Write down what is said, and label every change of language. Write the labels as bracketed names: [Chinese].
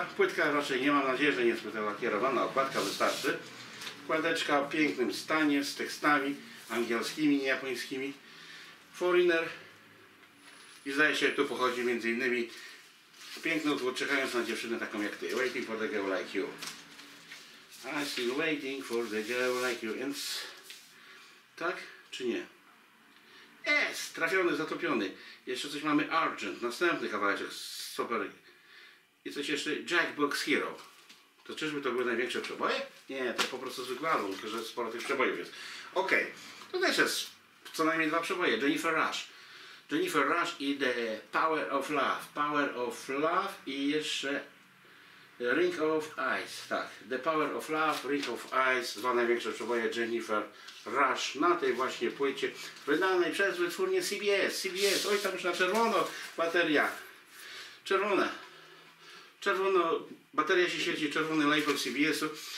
[Polish] Płytka raczej nie, mam nadzieję, że nie jest lakierowana, okładka wystarczy. Kładeczka w pięknym stanie, z tekstami angielskimi, nie japońskimi. Foreigner. I zdaje się, tu pochodzi między innymi piękny utwór, czekając na dziewczynę taką jak ty. [English] Waiting for the girl like you. I'm still waiting for the girl like you. [Polish] Więc tak czy nie? Jest! Trafiony, zatopiony. Jeszcze coś mamy. Argent. Następny kawałeczek. Super. I coś jeszcze. Jackbox Hero. To czyżby to były największe przeboje? Nie, to po prostu zwykły album, tylko że sporo tych przebojów jest. Okej. Okay. To też jest co najmniej dwa przeboje. Jennifer Rush i The Power of Love. Power of Love i jeszcze Ring of Ice. Tak. The Power of Love, Ring of Ice. Dwa największe przeboje Jennifer Rush na tej właśnie płycie wydanej przez wytwórnię CBS. Oj, tam już na czerwono bateria. Czerwone. Czerwono. Bateria się świeci, czerwony label CBS-u.